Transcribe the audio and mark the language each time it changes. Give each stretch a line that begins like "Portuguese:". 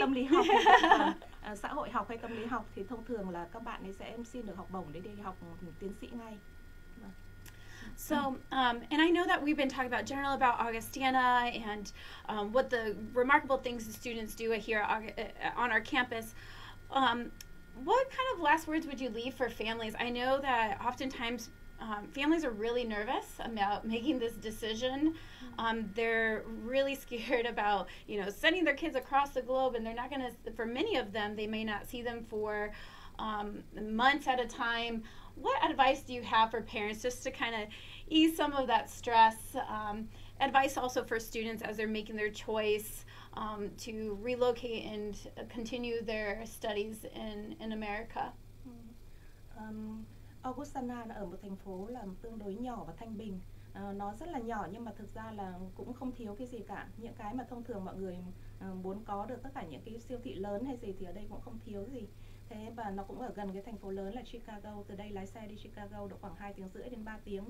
Vietnamese: tâm lý học, xã hội học hay tâm lý học, thì thông thường là các bạn ấy sẽ xin được học bổng để đi học tiến sĩ ngay.
English: So, and I know that we've been talking about general about Augustana and what the remarkable things the students do here on our campus. What kind of last words would you leave for families? I know that oftentimes families are really nervous about making this decision. They're really scared about, you know, sending their kids across the globe, and they're not going to, for many of them, they may not see them for months at a time. What advice do you have for parents just to kind of ease some of that stress? Advice also for students as they're making their choice to relocate and continue their studies in America.
Vietnamese: Augustana là ở một thành phố là tương đối nhỏ và thanh bình. Nó rất là nhỏ nhưng mà thực ra là cũng không thiếu cái gì cả. Những cái mà thông thường mọi người muốn có được, tất cả những cái siêu thị lớn hay gì, thì ở đây cũng không thiếu gì. Thế và nó cũng ở gần cái thành phố lớn là Chicago. Từ đây lái xe đi Chicago độ khoảng 2 tiếng rưỡi đến 3 tiếng.